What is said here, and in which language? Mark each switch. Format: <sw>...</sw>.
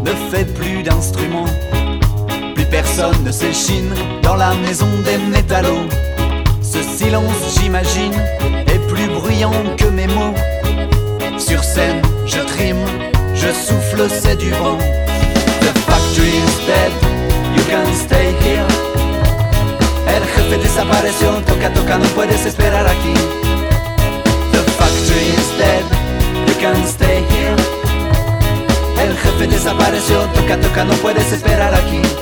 <fr>fait plus d'instruments. Plus personne ne s'échine dans la maison des métallos. Ce silence, j'imagine, est plus bruyant que mes mots. Sur scène, je trime, je souffle, c'est du vent.</fr> <en>The factory's dead, you can stay here.</en> <es>El jefe desapareció, toca, toca, no puedes esperar aquí.</es> <en>The factory's dead, you can stay here.</en> <es>El jefe desapareció, toca, toca, no puedes esperar aquí.</es>